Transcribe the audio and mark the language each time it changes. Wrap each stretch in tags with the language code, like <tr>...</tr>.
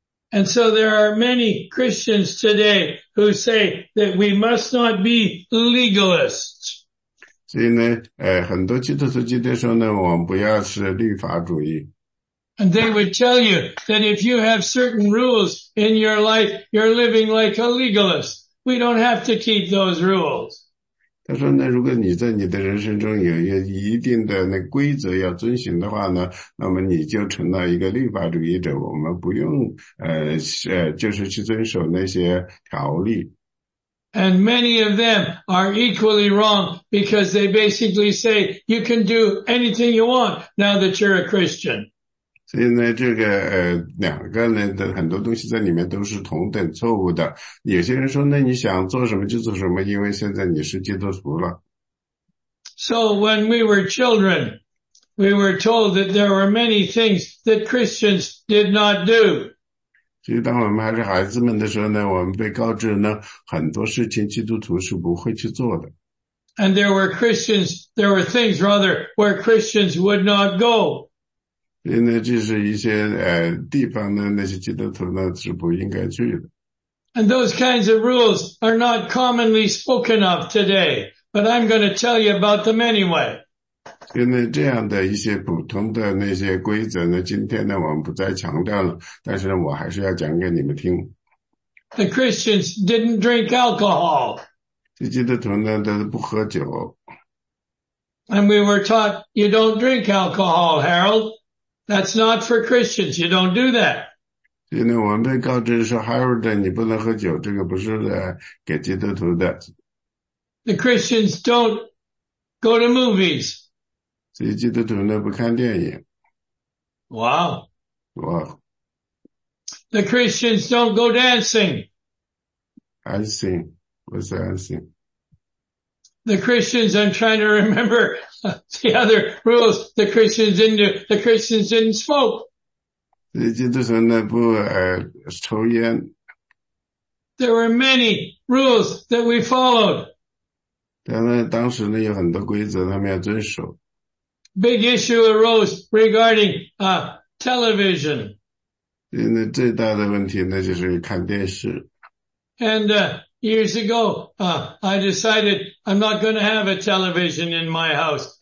<en>And so there are many Christians today who say that we must not be legalists.</en> <zh>所以呢，很多基督徒今天说呢，我们不要是律法主义。</zh> <en>And they would tell you that if you have certain rules in your life, you're living like a legalist. We don't have to keep those rules.</en> <zh>他说呢，如果你在你的人生中有一定的那规则要遵循的话呢，那么你就成了一个律法主义者。我们不用就是去遵守那些条例。</zh> <en>And many of them are equally wrong because they basically say you can do anything you want now that you're a Christian.</en> <zh>所以呢，这个两个呢的很多东西在里面都是同等错误的。有些人说呢，你想做什么就做什么，因为现在你是基督徒了。</zh> <en>So when we were children, we were told that there were many things that Christians did not do.</en> <zh>所以当我们还是孩子们的时候呢，我们被告知呢，很多事情基督徒是不会去做的。</zh> <en>And there were Christians, there were things rather where Christians would not go.</en> <zh>因为就是一些地方呢，那些基督徒呢是不应该去的。</zh> <en>And those kinds of rules are not commonly spoken of today, but I'm going to tell you about them anyway.</en> <zh>因为这样的一些普通的那些规则呢，今天呢我们不再强调了，但是呢我还是要讲给你们听。</zh> <en>The Christians didn't drink alcohol.</en> <zh>这基督徒呢都不喝酒。</zh> <en>And we were taught you don't drink alcohol, Harold. That's not for Christians. You don't do that.</en> <zh>因为我们被告知说 ,Harold, 你不能喝酒，这个不是给基督徒的。</zh> <en>The Christians don't go to movies.</en> <zh>所以基督徒呢不看电影。</zh> <en>Wow. Wow. The Christians don't go dancing. I see. What's that? I see. The Christians, I'm trying to remember the other rules. The Christians didn't do, the Christians didn't smoke.</en> <zh>基督徒呢,不, 抽烟。</zh> <en>There were many rules that we followed.</en> <zh>但呢,当时呢,有很多规则他们要遵守。</zh> <en>Big issue arose regarding, television.</en> <zh>那最大的问题呢,就是看电视。</zh> <en>And, years ago, I decided I'm not going to have a television in my house.</en>